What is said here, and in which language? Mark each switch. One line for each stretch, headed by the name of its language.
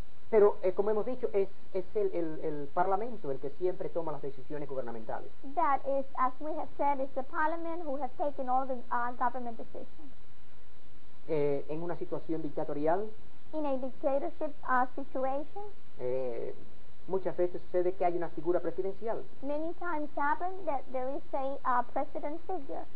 Spanish: Pero, como hemos dicho, es el parlamento el que siempre toma las decisiones gubernamentales.
English: That is, as we have said, it's the parliament who has taken all the government decisions.
Spanish: En una situación dictatorial.
English: In a dictatorship situation.
Spanish: Muchas veces sucede que hay una figura presidencial.
English: Many times happen that there is a president figure.